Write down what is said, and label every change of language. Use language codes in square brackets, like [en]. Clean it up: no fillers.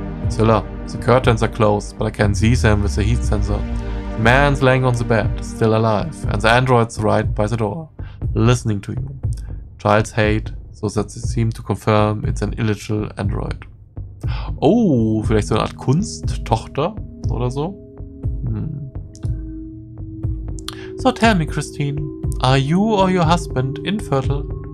[en] Zilla, the curtains are closed, but I can see them with the heat sensor. Man's laying on the bed, still alive, and the android's right by the door, listening to you. Child's hate, so that they seem to confirm it's an illegal android. [de] Oh, vielleicht so eine Art Kunsttochter oder so? Hm. [en] So tell me, Christine, are you or your husband infertile?